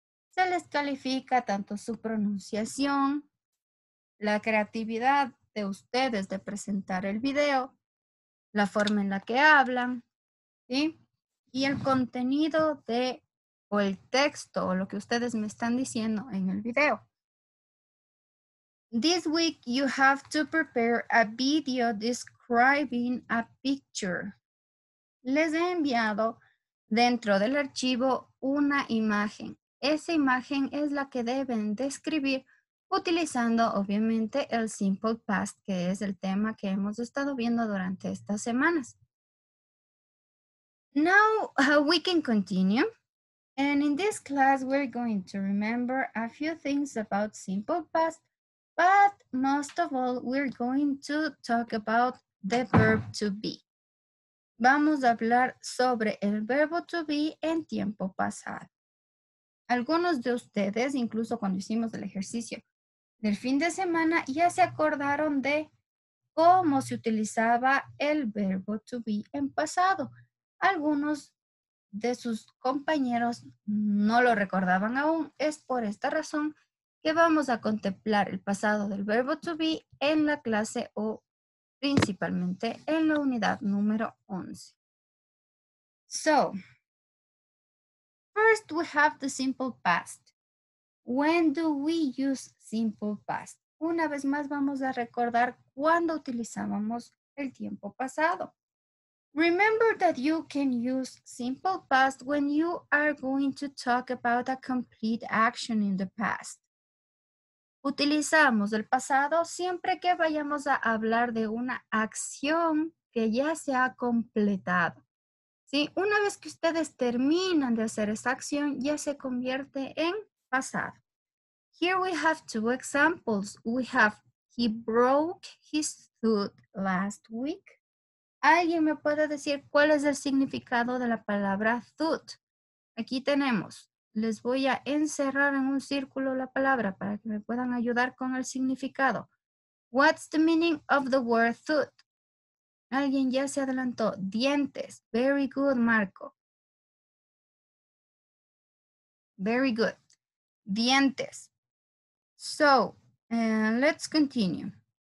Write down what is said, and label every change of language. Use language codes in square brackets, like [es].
[es] Se les califica tanto su pronunciación, la creatividad de ustedes de presentar el video, la forma en la que hablan, ¿sí? Y el contenido de o el texto o lo que ustedes me están diciendo en el video. [en] This week you have to prepare a video describing a picture. [es] Les he enviado dentro del archivo una imagen. Esa imagen es la que deben describir utilizando obviamente el simple past, que es el tema que hemos estado viendo durante estas semanas. [en] Now we can continue. And in this class, we're going to remember a few things about simple past, but most of all, we're going to talk about the verb to be. [es] Vamos a hablar sobre el verbo to be en tiempo pasado. Algunos de ustedes, incluso cuando hicimos el ejercicio del fin de semana, ya se acordaron de cómo se utilizaba el verbo to be en pasado. Algunos de sus compañeros no lo recordaban aún. Es por esta razón que vamos a contemplar el pasado del verbo to be en la clase o principalmente en la unidad número 11. [en] So, first we have the simple past. When do we use simple past? [es] Una vez más vamos a recordar cuándo utilizábamos el tiempo pasado. [en] Remember that you can use simple past when you are going to talk about a complete action in the past. [es] Utilizamos el pasado siempre que vayamos a hablar de una acción que ya se ha completado. ¿Sí? Una vez que ustedes terminan de hacer esa acción, ya se convierte en pasado. [en] Here we have two examples. We have he broke his tooth last week. [es] ¿Alguien me puede decir cuál es el significado de la palabra tooth? Aquí tenemos, les voy a encerrar en un círculo la palabra para que me puedan ayudar con el significado. [en] What's the meaning of the word tooth? [es] Alguien ya se adelantó, dientes. [en] Very good, [es] Marco. [en] Very good. Dientes. So, let's continue.